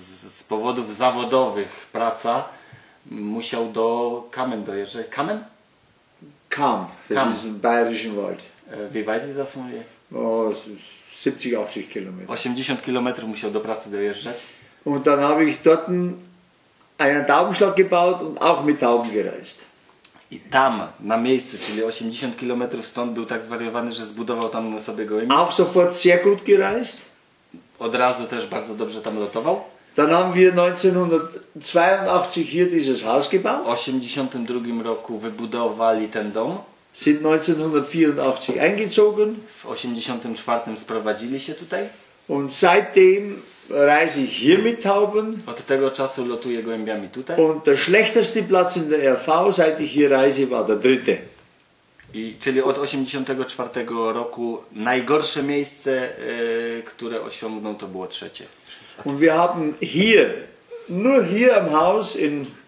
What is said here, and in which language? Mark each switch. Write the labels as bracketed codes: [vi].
[pl] Z powodów zawodowych praca musiał do Kamen dojeżdżać. Kamen? [de] Cham. Cham. Das ist im bayerischen Wald. Wie weit ist das von hier? 70-80 Kilometer. [pl] 80 Kilometer musiał do pracy dojeżdżać. [de] Und dann habe ich dort einen Taubenschlag gebaut und auch mit Tauben gereist. [pl] I tam, na miejscu, czyli 80 km stąd, był tak zwariowany, że zbudował tam sobie gołębie. [de] Auch sofort sehr gut gereist. [pl] Od razu też bardzo dobrze tam lotował. [de] Dann haben wir 1982 hier dieses Haus gebaut. [pl] W 82 roku wybudowali ten dom. [de] Sind 1984 eingezogen. [pl] W 84 sprowadzili się tutaj. [de] Und seitdem reise ich hier mit Tauben. [pl] Od tego czasu lotuję gołębiami tutaj. [de] Und der schlechteste Platz in der RV, seit ich hier reise, war der dritte. [pl] I, czyli od 84 roku najgorsze miejsce, które osiągnął, to było trzecie. [de] Und wir haben hier, nur hier im Haus, in